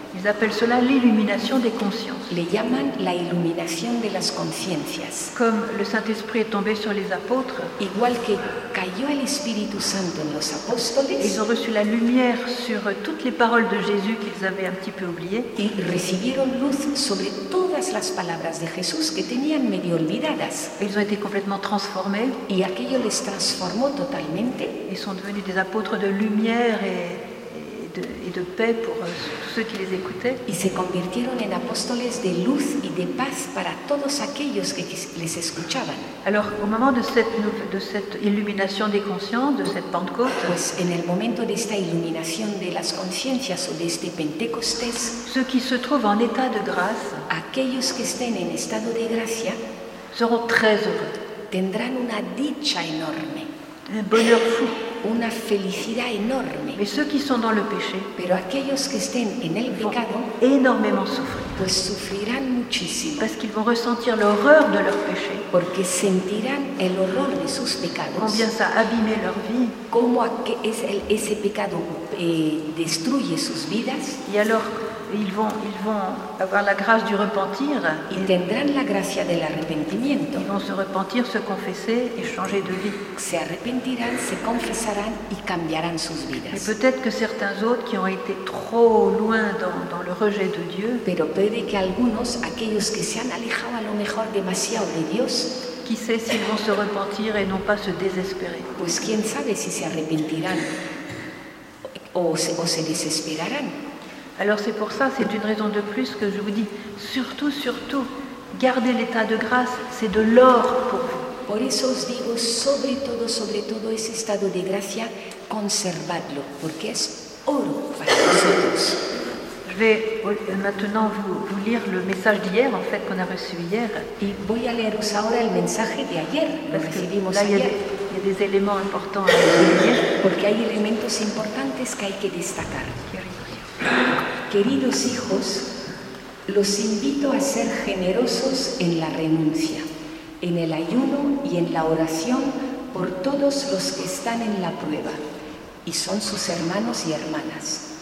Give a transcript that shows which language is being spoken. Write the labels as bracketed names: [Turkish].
[French] Ils appellent cela l'illumination des consciences. [Spanish] Le llaman la iluminación de las conciencias. [French] Comme le Saint-Esprit est tombé sur les apôtres. [Spanish] Igual que cayó el Espíritu Santo en los apóstoles. [French] Ils ont reçu la lumière sur toutes les paroles de Jésus qu'ils avaient un petit peu oubliées. [Spanish] Y recibieron luz sobre todas las palabras de Jesús que tenían medio olvidadas. [French] Ils ont été complètement transformés. [Spanish] Y aquello les transformó totalmente. [French] Ils sont devenus des apôtres de lumière et de paix pour tous ceux qui les écoutaient. [Spanish] Y se convirtieron en apóstoles de luz y de paz para todos aquellos que les escuchaban. [French] Alors, au moment de cette illumination des consciences, de cette Pentecôte, [Spanish] pues en el momento de esta iluminación de las conciencias o de este Pentecostés, [French] ceux qui se trouvent en état de grâce, [Spanish] aquellos que estén en estado de gracia, [French] seront très heureux. [Spanish] Tendrán una dicha enorme. [French] Un bonheur fou. [Spanish] Una felicidad enorme. [French] Mais ceux qui sont dans le péché, [Spanish] pero aquellos que estén en el pecado, [French] énormément souffrir. [Spanish] Pues sufrirán muchísimo. [French] Parce qu'ils vont ressentir l'horreur de leur péché. [Spanish] Porque sentirán el horror de sus pecados. [French] Combien ça a abîmé leur vie. [Spanish] Cómo ese pecado destruye sus vidas. [French] Y alors, ils vont avoir la grâce du repentir. [Spanish] Y tendrán la gracia del arrepentimiento. [French] Ils vont se repentir, se confesser et changer de vie. [Spanish] Se arrepentirán, se confesarán y cambiarán sus vidas. [French] Et peut-être que certains autres qui ont été trop loin dans le rejet de Dieu. [Spanish] Pero puede que algunos, aquellos que se han alejado a lo mejor demasiado de Dios. [French] Qui sait s'ils vont se repentir et non pas se désespérer. [Spanish] Pues quién sabe si se arrepentirán. O se desesperarán. [French] Alors c'est pour ça, c'est une raison de plus que je vous dis, surtout, gardez l'état de grâce, c'est de l'or pour vous. [Spanish] Por eso os digo, sobre todo ese estado de gracia, conservadlo, porque es oro para vosotros. [French] Je vais maintenant vous lire le message d'hier, en fait, qu'on a reçu hier. [Spanish] Y voy a leeros ahora el mensaje de ayer, [French] parce que [Spanish] recibimos [French] là, [Spanish] ayer. [French] Y a des éléments importants à dire. [Spanish] Porque hay elementos importantes que hay que destacar. Queridos hijos, los invito a ser generosos en la renuncia, en el ayuno y en la oración por todos los que están en la prueba y son sus hermanos y hermanas.